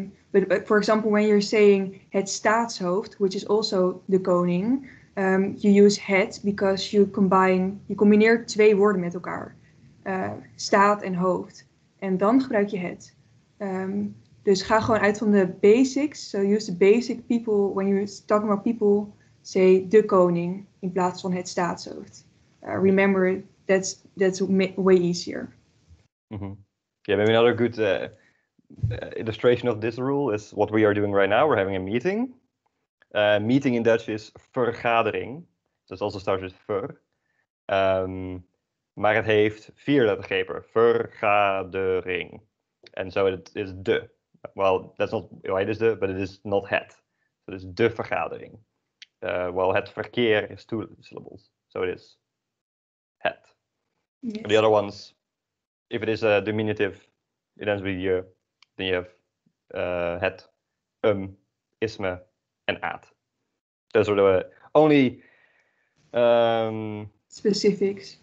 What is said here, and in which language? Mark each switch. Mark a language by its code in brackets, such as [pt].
[en] But for example, when you're saying het staatshoofd, which is also de koning, you use het because [nl] je combineert twee woorden met elkaar. Staat en hoofd. En dan gebruik je het. Dus ga gewoon uit van de basics. [en] So use the basic people. When you're talking about people, say de koning [nl] in plaats van [en] het staatshoofd. Remember, that's way easier. Mm-hmm. Yeah, maybe another good illustration of this rule is what we are doing right now. We're having a meeting. Meeting in Dutch is vergadering. So it also starts with ver. [nl] Maar het heeft vier lettergrepen. [en] Vergadering. And so it is de. Well, that's not why it is de, but it is not het. So it is de vergadering. Well, het verkeer is two syllables. So it is het. Yes. The other ones, if it is a diminutive, it ends with je. Then you have het, isme, and aat. Those are the only... Specifics.